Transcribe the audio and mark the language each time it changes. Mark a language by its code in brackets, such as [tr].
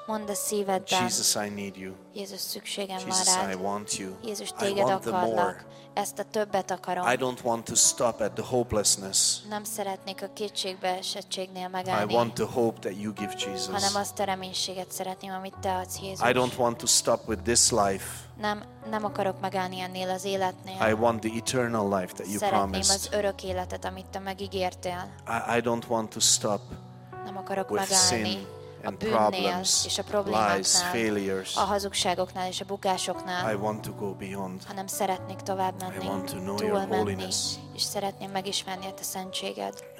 [hu] Mondd a szívedben, Jézus, szükségem van rád. Jézus, téged akarlak. Ezt a többet akarom. [en] I don't want to stop at the hopelessness. [hu] Nem szeretnék a kétségbeesettségnél megállni. [en] I want the hope that you give Jesus. [hu] Hanem azt a reménységet szeretném, amit te adsz, Jézus. [en] I don't want to stop with this life. [hu] Nem akarok megállni ennél az életnél. [en] I want the eternal life that you promised. [hu] Szeretném az örök életet, amit te megígértél. [en] I don't want to stop. [hu] Nem akarok megállni a bűnnél és a problémáknál, a hazugságoknál és a bukásoknál, hanem szeretnék tovább menni, túlmenni, és szeretném megismerni a te szentséged.